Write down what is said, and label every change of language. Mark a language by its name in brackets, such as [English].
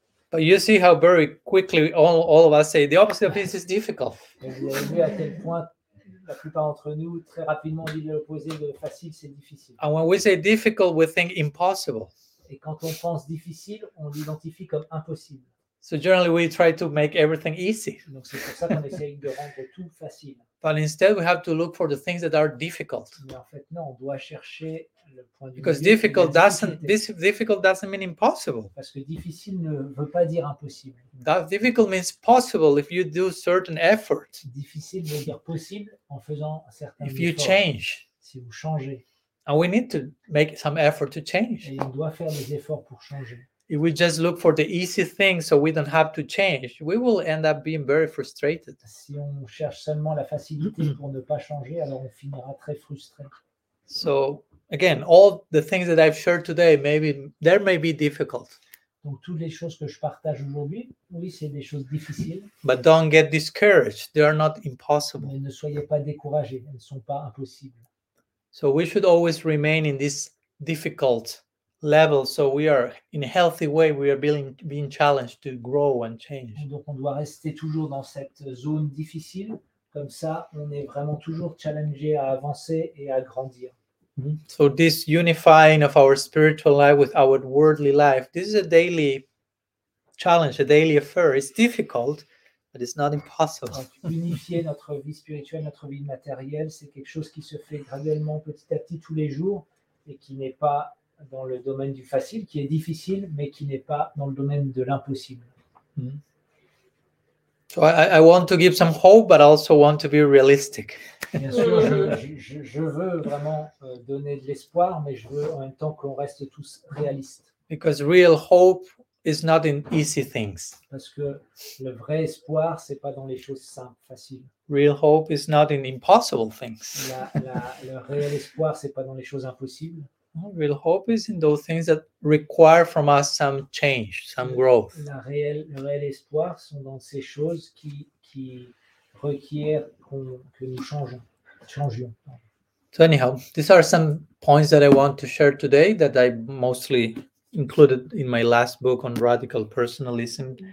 [English] But you see how very quickly all of us say the opposite of this is difficult. [French] Vous avez vu à quel point la plupart d'entre nous, très rapidement, on dit l'opposé de facile, c'est difficile. [English] And when we say difficult, we think impossible. [French] Et quand on pense difficile, on l'identifie comme impossible. [English] So generally, we try to make everything easy. [French] Donc c'est pour ça qu'on essaye de rendre tout facile. [English] But instead, we have to look for the things that are difficult. [French] Mais en fait, non, on doit chercher le point du [English] Because difficult doesn't this difficult doesn't mean impossible. [French] Parce que difficile ne veut pas dire impossible. [English] That difficult means possible if you do certain effort. [French] Difficile veut dire possible en faisant un certain effort. [English] If you change. [French] Si vous changez. [English] And we need to make some effort to change. [French] Et on doit faire des efforts pour changer. [English] If we just look for the easy things so we don't have to change, we will end up being very frustrated. [French] Si on cherche seulement la facilité pour ne pas changer, alors on finira très frustré. [English] So again, all the things that I've shared today, maybe there may be difficult. [French] Donc toutes les choses que je partage aujourd'hui, oui, c'est des choses difficiles. [English] But don't get discouraged. They are not impossible. [French] Mais ne soyez pas découragés. Elles ne sont pas impossibles. [English] So we should always remain in this difficult level, so we are in a healthy way. We are being challenged to grow and change. [French] Donc on doit rester toujours dans cette zone difficile. Comme ça, on est vraiment toujours challengé à avancer et à grandir. [English] So this unifying of our spiritual life with our worldly life, this is a daily challenge, a daily affair. It's difficult, but it's not impossible. [French] Unifier notre vie spirituelle, notre vie matérielle, c'est quelque chose qui se fait graduellement, petit à petit, tous les jours, et qui n'est pas dans le domaine du facile, qui est difficile, mais qui n'est pas dans le domaine de l'impossible. [English] So I want to give some hope, but I also want to be realistic. [French] Bien sûr, je veux vraiment donner de l'espoir, mais je veux en même temps qu'on reste tous réalistes. [English] Because real hope is not in easy things. [French] Parce que le vrai espoir, c'est pas dans les choses simples, faciles. [English] Real hope is not in impossible things. [French] Le réel espoir, c'est pas dans les choses impossibles. [English] Real hope is in those things that require from us some change, some growth. [French] Le réel espoir sont dans ces choses qui requièrent que nous changions. [English] So anyhow, these are some points that I want to share today that I mostly included in my last book on radical personalism.